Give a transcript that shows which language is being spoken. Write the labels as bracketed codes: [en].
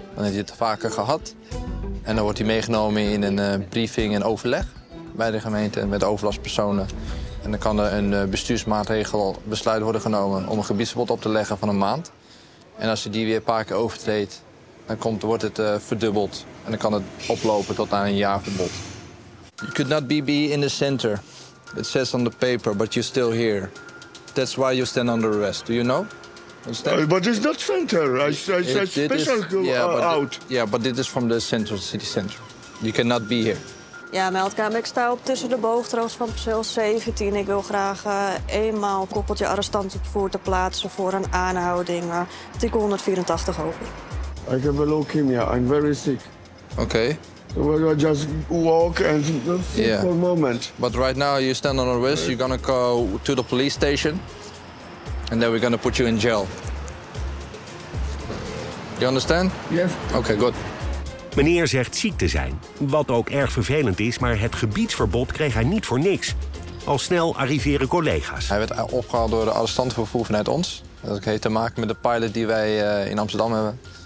[nl] Dan heeft hij het vaker gehad. En dan wordt hij meegenomen in een briefing en overleg bij de gemeente met overlastpersonen. En dan kan er een bestuursmaatregel besluit worden genomen om een gebiedsverbod op te leggen van een maand. En als hij die weer een paar keer overtreedt, dan wordt het verdubbeld. En dan kan het oplopen tot aan een jaar verbod. [en] You could not be in the center. It says on the paper, but you're still here. That's why you stand under arrest. Do you know? But it's not center. I said special out. Yeah, but this is from the center, city center. You cannot be here. [nl] Ja, meldkamer, ik sta op tussen de boogtroost van perceel 17. Ik wil graag eenmaal koppeltje arrestant op voertuig plaatsen voor een aanhouding. Artikel 184 over. [en] I have a leukemia. I'm very sick. Okay. We gaan just walk and sit for a moment. But right now you stand on a risk. You're gonna go to the police station and then we're gonna put you in jail. You understand? Yes. Okay, good. [nl] Meneer zegt ziek te zijn, wat ook erg vervelend is, maar het gebiedsverbod kreeg hij niet voor niks. Al snel arriveren collega's. Hij werd opgehaald door de arrestantenvervoer vanuit ons. Dat heeft te maken met de pilot die wij in Amsterdam hebben.